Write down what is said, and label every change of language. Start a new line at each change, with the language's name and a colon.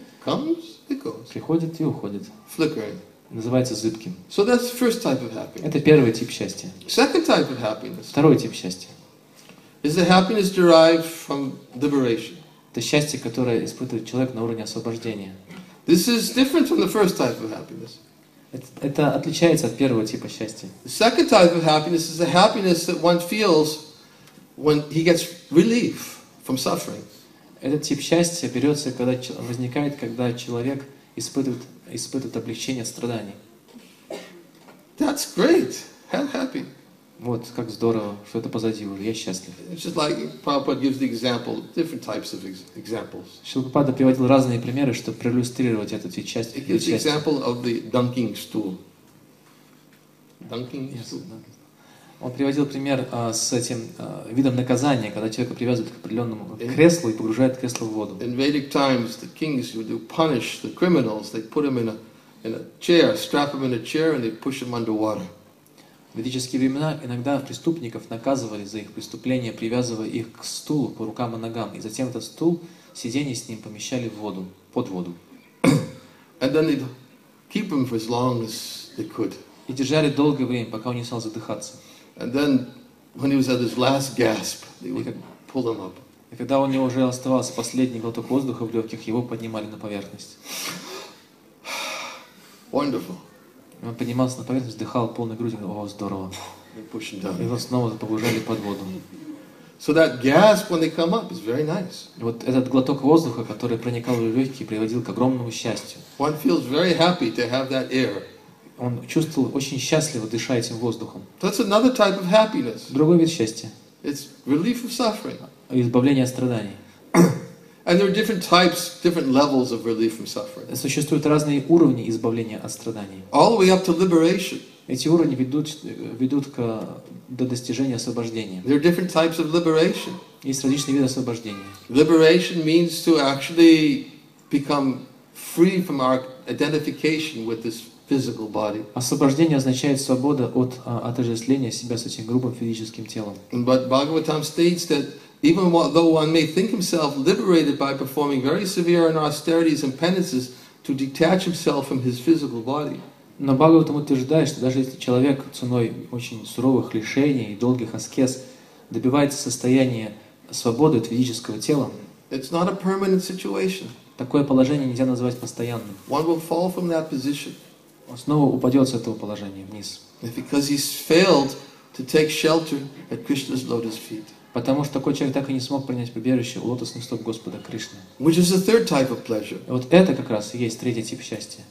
English: Comes, it goes.
Russian: Приходит и уходит.
English: Flickering.
Russian: Называется зыбким.
English: So that's the first type of happiness.
Russian: Это первый тип счастья.
English: Second type of happiness.
Russian: Второй тип счастья.
English: Is the happiness derived from liberation?
Russian: Это счастье, которое испытывает человек на уровне освобождения.
English: This is different from the first type of happiness.
Russian: Это отличается от первого типа счастья.
English: The second type of happiness is the happiness that one feels when he gets relief from suffering.
Russian: Этот тип счастья берется, когда возникает, когда человек испытывает облегчение от страданий.
English: That's great. I'm happy.
Russian: Вот как здорово, что это позади уже. Я счастлив.
English: Just like Prabhupada gives the example, different types of examples.
Russian: Шилпапада приводил разные примеры, чтобы проиллюстрировать эту часть счастья.
English: He gives the example of the dunking stool. Dunking stool.
Russian: Он приводил пример с этим видом наказания, когда человека привязывают к определенному креслу и погружают кресло в воду.
English: In Vedic times, the kings would punish the criminals. They put them in a chair, strap them in a chair, and they push them under water.
Russian: В ведические времена иногда преступников наказывали за их преступления, привязывая их к стулу по рукам и ногам, и затем этот стул, сиденье с ним помещали в воду, под воду.
English: And then they'd keep him for as long as they could.
Russian: И держали долгое время, пока он не стал задыхаться.
English: And then, when he was at his last gasp, they would pull him up.
Russian: И когда у него уже оставался последний глоток воздуха в легких, его поднимали на поверхность.
English: Wonderful.
Russian: Он поднимался на поверхность, вдыхал полной грудью, говорил: «О, здорово!» И его снова погружали под воду.
English: So that gasp, when they come up, is very nice.
Russian: Вот этот глоток воздуха, который проникал в легкие, приводил к огромному счастью.
English: One feels very happy to have that air.
Russian: Он чувствовал очень счастливо, дыша этим воздухом.
English: That's another type of happiness.
Russian: Другой вид счастья.
English: It's relief of suffering.
Russian: Избавление от страданий.
English: And there are different types, different levels of relief from suffering.
Russian: Существуют разные уровни избавления от страданий.
English: All the way up to liberation.
Russian: Эти уровни ведут до достижения освобождения.
English: There are different types of liberation.
Russian: Есть различные виды освобождения.
English: Liberation means to actually become free from our identification with this physical body.
Russian: Освобождение означает свобода от отождествления себя с этим грубым физическим телом.
English: But Bhagavatam states that even though one may think himself liberated by performing very severe and austerities and penances to detach himself from his physical body.
Russian: Но Бхагаватам утверждает, что даже если человек ценой очень суровых лишений и долгих аскез добивается состояния свободы от физического тела,
English: it's not a permanent situation.
Russian: Такое положение нельзя назвать постоянным.
English: One will fall from that position.
Russian: Он снова упадет с этого положения вниз.
English: Because he's failed to take shelter at Krishna's lotus feet.
Russian: Потому что такой человек так и не смог принять прибежище у лотосных стоп Господа Кришны.
English: Which is the third type of pleasure.
Russian: И вот это как раз и есть третий тип счастья.